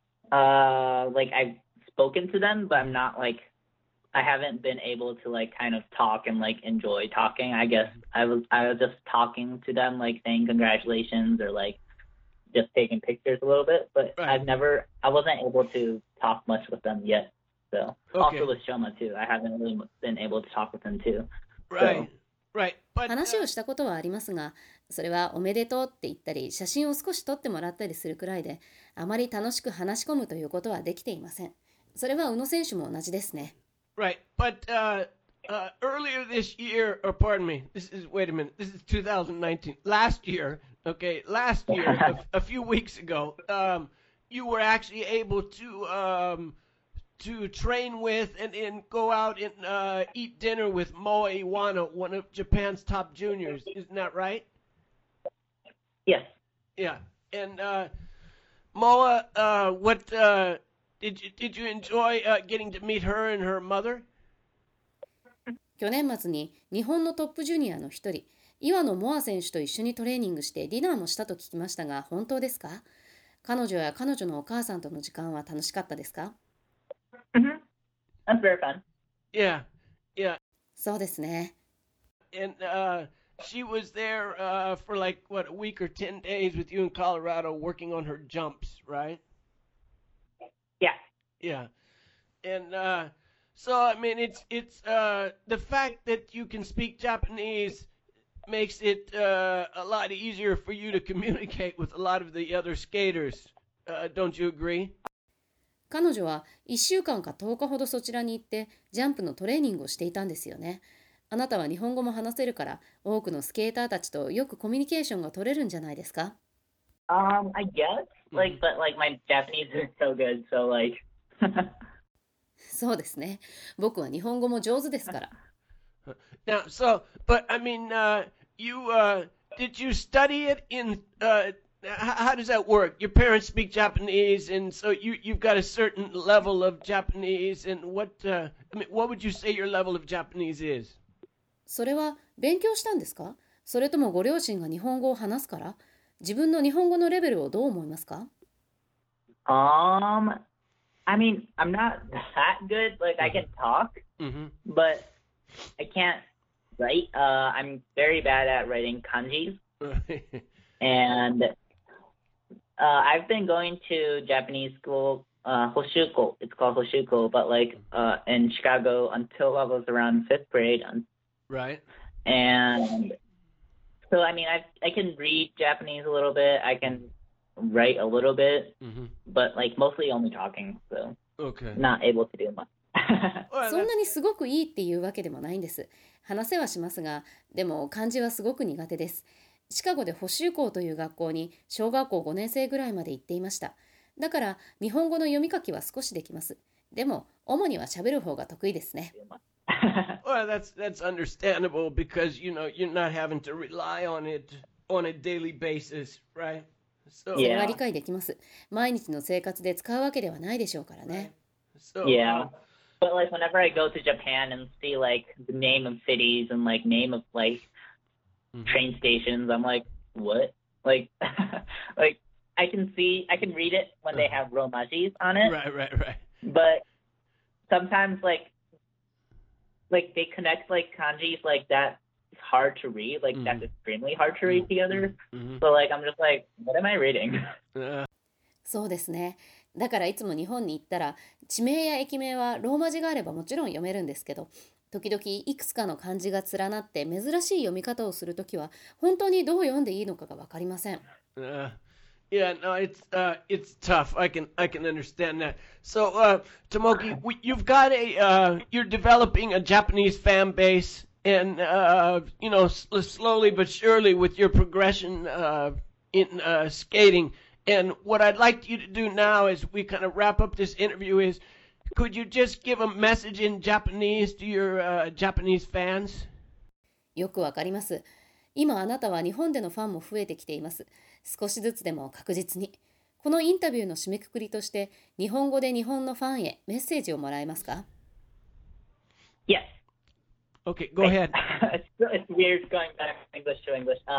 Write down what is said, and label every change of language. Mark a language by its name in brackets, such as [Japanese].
[English] Like I've spoken to them, but I'm not like I haven't been able to like kind of talk and like enjoy talking. I guess I was just talking to them, like saying congratulations or like just taking pictures a little bit, but right. I wasn't able to talk much with them yet. So okay. Also with Shoma too, I haven't really been able to talk with them too. Right. So. Right. But, [Japanese] 話をしたことはありますが、それはおめでとうって言ったり、写真を少し撮ってもらったりするくらいで、あまり楽しく話し込むということはできていません。それは宇野選手も同じですね。 [English] Right. But earlier this year, or pardon me, this is, wait a minute, this is 2019. Last year, okay, last year, a few weeks ago, you were actually able to to train with and go out and eat dinner with Moa Iwano, one of Japan's top juniors. Isn't that right? Yes. Yeah. And Moa, what did you enjoy getting to meet her and her mother? [Japanese] 去年末に日本のトップジュニアの一人、岩野モア選手と一緒にトレーニングしてディナーもしたと聞きましたが、本当ですか？彼女や彼女のお母さんとの時間は楽しかったですか？ [English] That's very fun. Yeah, yeah. [Japanese] そうですね。 [English] And she was there for like, what, a week or 10 days with you in Colorado working on her jumps, right? Yeah. Yeah. And so, I mean, it's the fact that you can speak Japanese... makes it a lot easier for you to communicate with a lot of the other skaters. Don't you agree? [Japanese] 彼女は1週間か10日ほどそちらに行ってジャンプのトレーニングをしていたんですよね。あなたは日本語も話せるから多くのスケーターたちとよくコミュニケーションが取れるんじゃないですか? [English] I guess. Like, but like my Japanese is so good, so like... [Japanese] そうですね。僕は日本語も上手ですから。 [English] Now, so, but I mean, you, did you study it in, how does that work? Your parents speak Japanese, and so you've got a certain level of Japanese, and what would you say your level of Japanese is? [Japanese] それは勉強したんですか？それともご両親が日本語を話すから、自分の日本語のレベルをどう思いますか？ [English] I mean, I'm not that good, like, I can talk, but... I can't write. I'm very bad at writing kanji. And I've been going to Japanese school, Hoshuko. It's called Hoshuko, but like in Chicago until I was around fifth grade. Right. And so, I mean, I can read Japanese a little bit. I can write a little bit, but like mostly only talking. So okay. Not able to do much. [Japanese] そんなにすごくいいっていうわけでもないんです。話せはしますが、でも漢字はすごく苦手です。シカゴで補習校という学校に小学校5年生ぐらいまで行っていました。だから日本語の読み書きは少しできます。でも主には喋る方が得意ですね。 [English] Well, that's understandable because you know you're not having to rely on it on a daily basis, right? So, yeah. [Japanese] それは理解できます。毎日の生活で使うわけではないでしょうからね。 [English] So, yeah. But like whenever I go to Japan and see like the name of cities and like name of like train stations, I'm like, what? Like, like I can read it when they have romajis on it. Right, right, right. But sometimes like they connect like kanjis like that's hard to read. Like that's extremely hard to read together. So like I'm just like, what am I reading? [Japanese] そうですね。だからいつも日本に行ったら地名や駅名はローマ字があればもちろん読めるんですけど時々いくつかの漢字が連なって珍しい読み方をするときは本当にどう読んでいいのかが分かりません。 [English] Yeah, no, it's tough. I can understand that. So, Tomoki, you've got a, you're developing a Japanese fan base and, you know, slowly but surely with your progression in skating... And what I'd like you to do now as we kind of wrap up this interview is, could you just give a message in Japanese to your Japanese fans? [Japanese] よくわかります。今あなたは日本でのファンも増えてきています。少しずつでも確実に。このインタビューの締めくくりとして、日本語で日本のファンへメッセージをもらえますか? [English] Yes. Okay, go ahead. It's weird going back from English to English.